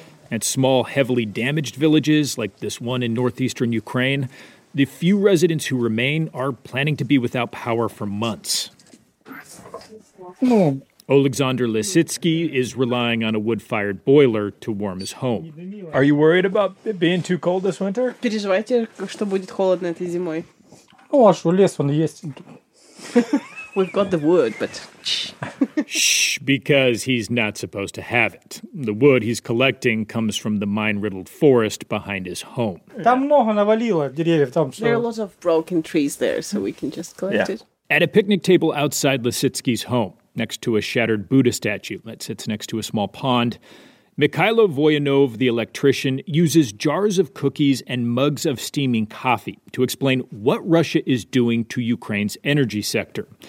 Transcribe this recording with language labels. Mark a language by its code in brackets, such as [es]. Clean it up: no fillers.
[en] At small, heavily damaged villages like this one in northeastern Ukraine, the few residents who remain are planning to be without power for months. Oleksandr Lisitsky is relying on a wood-fired boiler to warm his home. Are you worried about it being too cold this winter? [ru] Переживаете, что будет холодно этой зимой? Ну, а что, лес он есть. [en] We've got the wood, but... Shh, because he's not supposed to have it. The wood he's collecting comes from the mine-riddled forest behind his home. There are lots of broken trees there, so we can just collect it. At a picnic table outside Lisitsky's home, next to a shattered Buddha statue that sits next to a small pond, Mikhailo Voyanov, the electrician, uses jars of cookies and mugs of steaming coffee to explain what Russia is doing to Ukraine's energy sector.